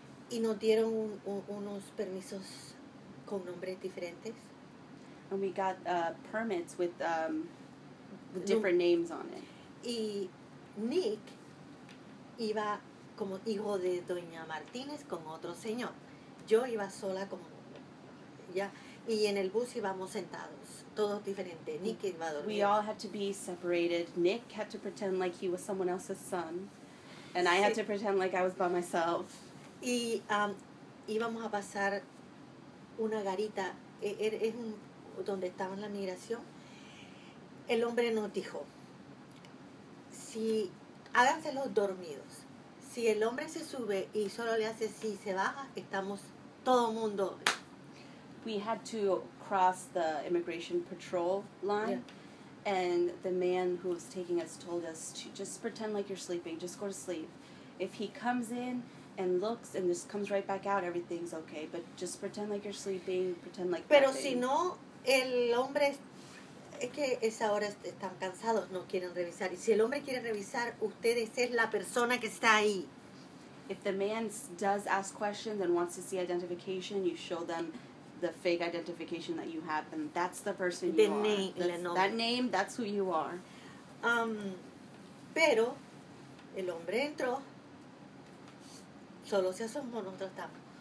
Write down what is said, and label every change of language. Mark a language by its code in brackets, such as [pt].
[es] Y nos dieron unos permisos con nombres diferentes. [en] And we got permits with different names on it. [es] Y Nick iba como hijo de Doña Martínez con otro señor. Yo iba sola como ya, y en el bus íbamos sentados, todos diferentes. Nick iba a dormir. [en] We all had to be separated. Nick had to pretend like he was someone else's son, and sí. I had to pretend like I was by myself. [es] Y íbamos a pasar una garita, es donde estaba la migración. El hombre nos dijo, si háganselo dormidos. Si el hombre se sube y solo le hace si se baja, estamos todo mundo. [en] We had to cross the immigration patrol line, yeah. And the man who was taking us told us to just pretend like you're sleeping, just go to sleep. If he comes in and looks and just comes right back out, everything's okay, but just pretend like you're sleeping, pretend like Pero nothing. [es] Si no, el hombre, es que esa hora están cansados, no quieren revisar. Y si el hombre quiere revisar, usted es la persona que está ahí. [en] If the man does ask questions and wants to see identification, you show them the fake identification that you have, and that's the person the you name, are. That name, that's who you are. [es] Pero el hombre entró, solo se asomó, nosotros estamos.